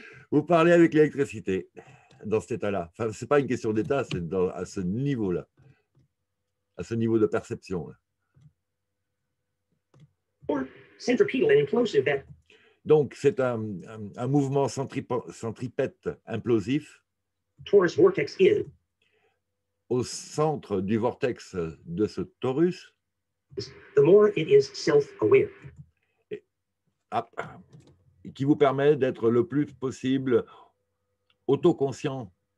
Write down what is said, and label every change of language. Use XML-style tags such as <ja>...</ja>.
<fr>Vous parlez avec l'électricité dans cet état-là. Enfin, ce n'est pas une question d'état, c'est dans, à ce niveau-là, à ce niveau de perception.</fr> <en>Or centripetal and implosive, that...</en> <fr>Donc, c'est un mouvement centripète implosif.</fr> <en>Torus vortex is.</en> <fr>Au centre du vortex de ce torus.</fr> <en>The more it is self-aware.</en> <fr>Qui vous permet d'être le plus possible autoconscient.</fr>